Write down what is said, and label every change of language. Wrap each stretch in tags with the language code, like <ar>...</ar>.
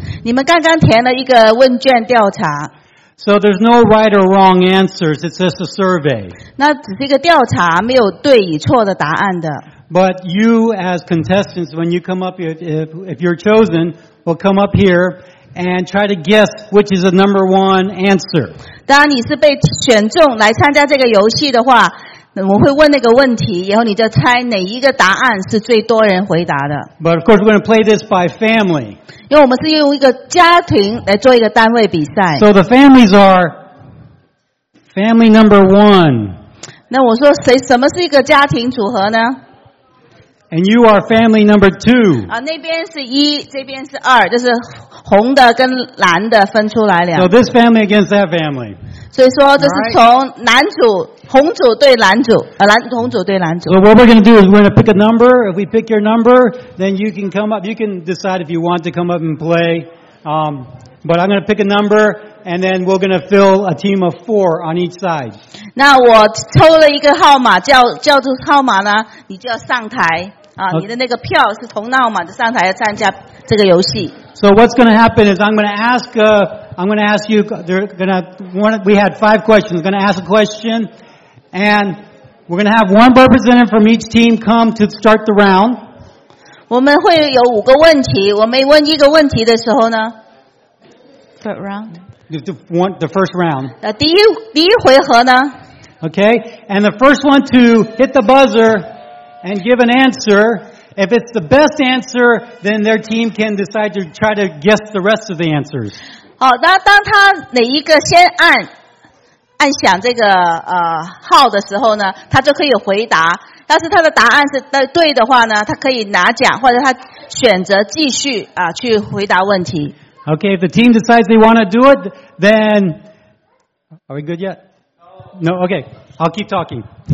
<zh>你们刚刚填了一个问卷调查。</zh> <en>So there's no right or wrong answers, it's just a survey.</en> <zh>那只是一个调查，没有对与错的答案的。</zh> <en>But you as contestants, when you come up, if you're chosen, will come up here and try to guess which is the number one answer.</en> <zh>当你是被选中来参加这个游戏的话，我会问那个问题，然后你就猜哪一个答案是最多人回答的。</zh> <en>But of course we're going to play this by family.</en> <zh>因为我们是用一个家庭来做一个单位比赛。</zh> <en>So the families are family number one.</en> <zh>那我说谁，什么是一个家庭组合呢？</zh> <en>And you are family number two.</en> <zh>那边是一，这边是二，就是红的跟蓝的分出来了。</zh> <en>So this family against that family.</en> <zh>所以说这是从男主，红组对蓝组，红组对蓝组。</zh> <en>So what we're going to do is we're going to pick a number. If we pick your number, then you can come up. You can decide if you want to come up and play. But I'm going to pick a number. And then we're going to fill a team of four on each side.</en> <zh>那我抽了一个号码，叫做号码呢，你就要上台啊！ Okay. 你的那个票是同号码的，上台要参加这个游戏。</zh> <en>So what's going to happen is I'm going to ask you. They're going to one. We had five questions. We're going to ask a question, and we're going to have one representative from each team come to start the round.</en> <zh>我们会有五个问题。我们问一个问题的时候呢</zh> <en>，third round. The first round.</en> <zh>第一回合呢</zh> <en>Okay, and the first one to hit the buzzer and give an answer. If it's the best answer, then their team can decide to try to guess the rest of the answers.</en> <zh>好，那当他哪一个先按响这个号的时候呢，他就可以回答。但是他的答案是对的话呢，他可以拿奖，或者他选择继续去回答问题。</zh> <en>Okay, if the team decides they want to do it, then are we good yet? No. Okay, I'll keep talking.</en>